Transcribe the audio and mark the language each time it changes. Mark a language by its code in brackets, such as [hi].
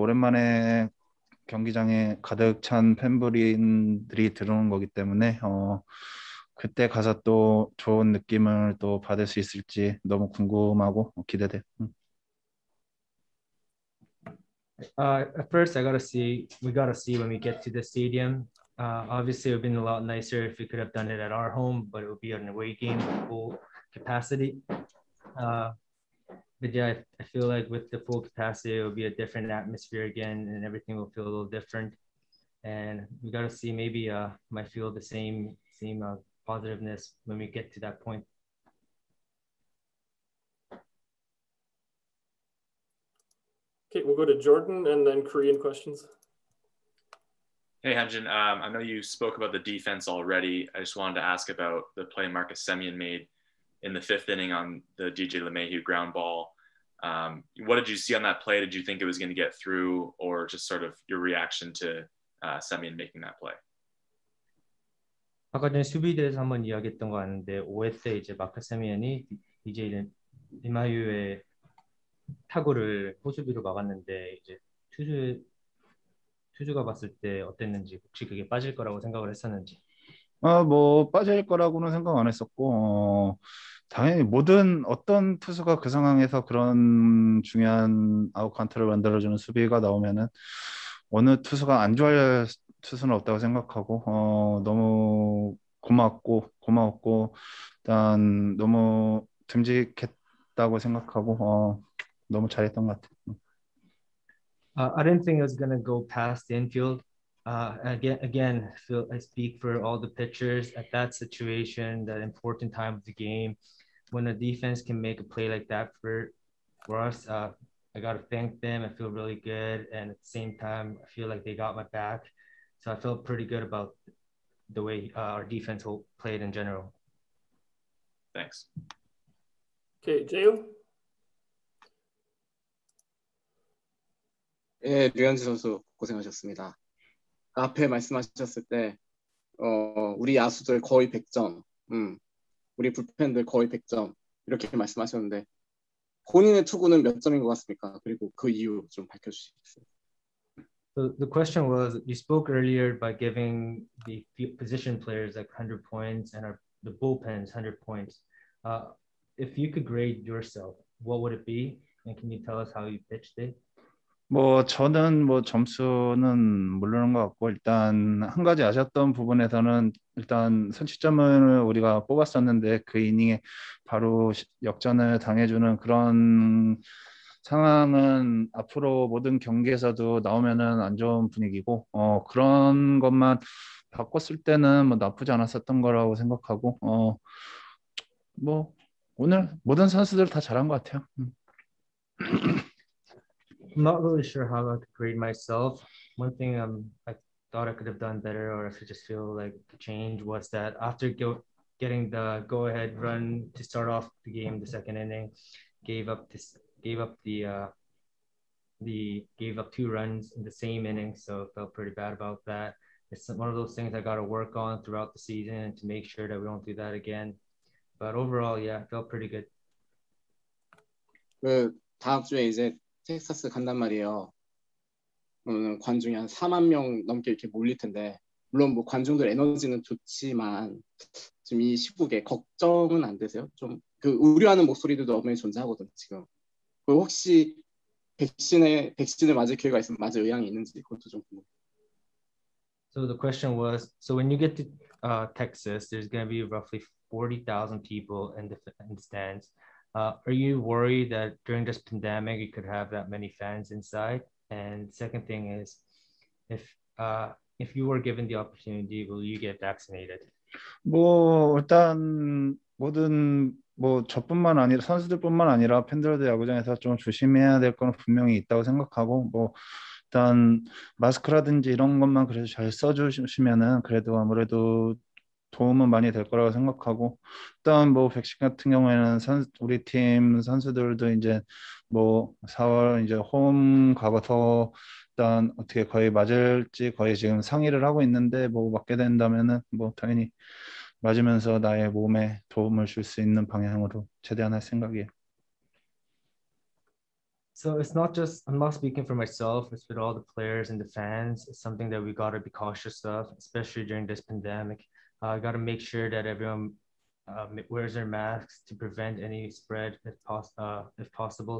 [ko] 오랜만에 경기장에 가득 찬 팬분들이 들어온 거기 때문에 그때 가서 또 좋은 느낌을 또 받을 수 있을지 너무 궁금하고 기대돼. [en] At first, we gotta see when we get to the stadium. Obviously, it would have been a lot nicer if we could have done it at our home, but it would be an away game with full capacity. But yeah, I feel like with the full capacity, it will be a different atmosphere again, and everything will feel a little different. And we got to see, maybe might feel the same positiveness when we get to that point. Okay, we'll go to Jordan and then Korean questions. Hey, Hyunjin, I know you spoke about the defense already. I just wanted to ask about the play Marcus Semien made in the fifth inning on the DJ LeMahieu ground ball. What did you see on that play? Did you think it was going to get through, or just sort of your reaction to Semien making that play? [ko] 아까 전에 수비에 대해서 한번 이야기했던 거 같은데 5회 때 이제 마크 세미안이 이제 리마유의 타구를 호수비로 막았는데 이제 투수가 봤을 때 어땠는지 혹시 그게 빠질 거라고 생각을 했었는지? 뭐 빠질 거라고는 생각 안 했었고 당연히 모든 어떤 투수가 그 상황에서 그런 중요한 아웃 카운트를 만들어주는 수비가 나오면은 어느 투수가 안 좋아할 투수는 없다고 생각하고 너무 고마웠고 일단 너무 듬직했다고 생각하고 너무 잘했던 것 같아. [en] I didn't think it was gonna go past the infield. Again, Phil, I speak for all the pitchers at that situation, that important time of the game. When a defense can make a play like that for us, I got to thank them. I feel really good. And at the same time, I feel like they got my back. So I feel pretty good about the way our defense played in general. Thanks. Okay, Jail. Yeah, [ko] 네, 류현진 선수 고생하셨습니다. 앞에 말씀하셨을 때 우리 야수들 거의 100점, 우리 불펜들 거의 100점 이렇게 말씀하셨는데 본인의 투구는 몇 점인 것 같습니까? 그리고 그 이유 좀 밝혀주시겠어요? [en] The question was, you spoke earlier by giving the position players like 100 points and the bullpens 100 points. If you could grade yourself, what would it be? And can you tell us how you pitched it? [ko] 뭐 저는 뭐 점수는 모르는 것 같고 일단 한 가지 아쉬웠던 부분에서는 일단 선취점을 우리가 뽑았었는데 그 이닝에 바로 역전을 당해주는 그런 상황은 앞으로 모든 경기에서도 나오면은 안 좋은 분위기고 그런 것만 바꿨을 때는 뭐 나쁘지 않았었던 거라고 생각하고 뭐 오늘 모든 선수들 다 잘한 것 같아요. [en] I'm not really sure how I could grade myself. One thing I thought I could have done better, or I could just feel like change, was that after getting the go-ahead run to start off the game, the second inning, gave up two runs in the same inning, so I felt pretty bad about that. It's one of those things I got to work on throughout the season to make sure that we don't do that again. But overall, yeah, I felt pretty good. [ko] 그 다음 주에 이제 텍사스 간단 말이에요. 관중이 한 4만 명 넘게 이렇게 몰릴 텐데 물론 뭐 관중들 에너지는 좋지만 지금 이 시국에 걱정은 안 되세요? 좀 그 우려하는 목소리들도 엄연히 존재하거든요. 지금 그 혹시 백신을 맞을 기회가 있으면 맞을 의향이 있는지 그것도 좀 궁금해요. [en] So the question was, so when you get to Texas, there's going to be roughly 40,000 people in the stands. Are you worried that during this pandemic you could have that many fans inside? And second thing is, if you were given the opportunity, will you get vaccinated? [ko] 뭐 일단 모든 뭐 저뿐만 아니라 선수들뿐만 아니라 팬들도 야구장에서 좀 조심해야 될 건 분명히 있다고 생각하고 뭐 일단 마스크라든지 이런 것만 그래도 잘 써주시면은 그래도 아무래도 도움은 많이 될 거라고 생각하고 일단 뭐 백신 같은 경우에는 우리 팀 선수들도 이제 뭐 4월 이제 홈 가서 일단 어떻게 거의 맞을지 거의 지금 상의를 하고 있는데 뭐 맞게 된다면은 뭐 당연히 맞으면서 나의 몸에 도움을 줄 수 있는 방향으로 최대한 할 생각이에요. [en] So it's not just, I'm not speaking for myself, it's with all the players and the fans. It's something that we gotta be cautious of, especially during this pandemic. I got to make sure that everyone wears their masks to prevent any spread if possible.